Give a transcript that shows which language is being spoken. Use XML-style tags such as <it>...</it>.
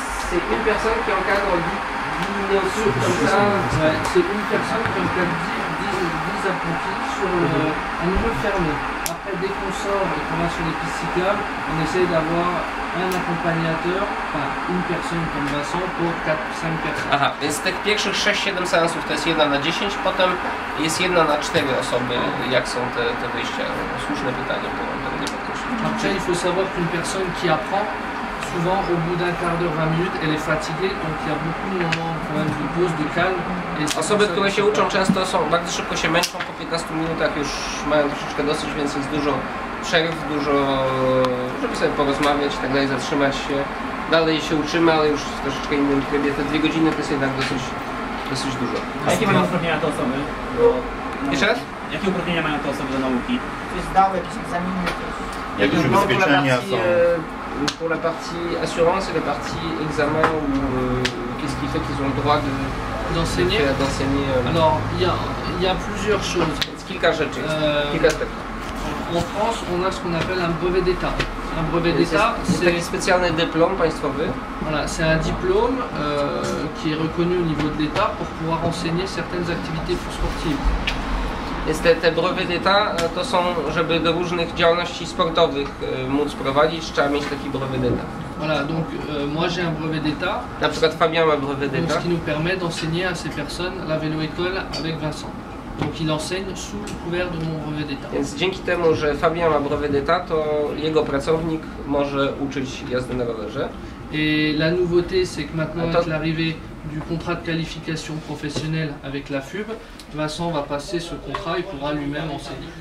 <fr>C'est une personne qui encadre 10 leçons comme ça. C'est une personne qui encadre 10 apprentis sur un milieu fermé. Après, dès qu'on sort et qu'on va sur les pistes cyclables, on essaie d'avoir un accompagnateur, enfin une personne comme Vincent, pour 4-5 personnes.</fr> <pl>Aha, więc tych pierwszych 6-7 seansów to jest 1 na 10, potem jest 1 na 4 osoby. Jak są te wyjścia? Słuszne pytanie, bo mam pewnie podkreślić.</pl> <fr>Après, il faut savoir qu'une personne qui apprend, souvent au bout d'un quart d'heure, 20 minutes, elle est fatiguée, donc il y a beaucoup de moments quand même de pause, de calme.</fr> <pl>Osoby, które się uczą, często są bardzo szybko się męczą, po 15 minutach już mają troszeczkę dosyć, więc jest dużo przerw, dużo, żeby sobie porozmawiać i tak dalej, zatrzymać się. Dalej się uczymy, ale już w troszeczkę innym trybie. Te 2 godziny to jest jednak dosyć dużo. A jakie mają uprawnienia te osoby? Jeszcze raz? Jakie uprawnienia mają te osoby do nauki? Czy zdały jakieś egzaminy? Jakieś ubezpieczenia są?</pl> <fr>Pour la partie assurance et la partie examen, qu'est-ce qui fait qu'ils ont le droit d'enseigner Alors, il y a plusieurs choses. En France, on a ce qu'on appelle un brevet d'État. Un brevet d'État, c'est un spécial diplôme, pas histoire. Voilà, c'est un diplôme qui est reconnu au niveau de l'État pour pouvoir enseigner certaines activités sportives.</fr> <pl>Jest te brevet d'état, to są, żeby do różnych działalności sportowych móc prowadzić, trzeba mieć taki brevet d'état.</pl> <fr>Voilà, donc moi j'ai un brevet d'état.</fr> <pl>Na przykład Fabien ma brevet d'état.</pl> <fr>Donc ce qui nous permet d'enseigner à ces personnes la vélo école avec Vincent. Donc il enseigne sous le couvert de mon brevet d'état.</fr> <pl>Więc dzięki temu, że Fabien ma brevet d'état, to jego pracownik może uczyć jazdy na rowerze.</pl> <fr>Et la nouveauté, c'est que maintenant, avec l'arrivée du contrat de qualification professionnelle avec la FUB, Vincent va passer ce contrat et pourra lui-même enseigner.</fr>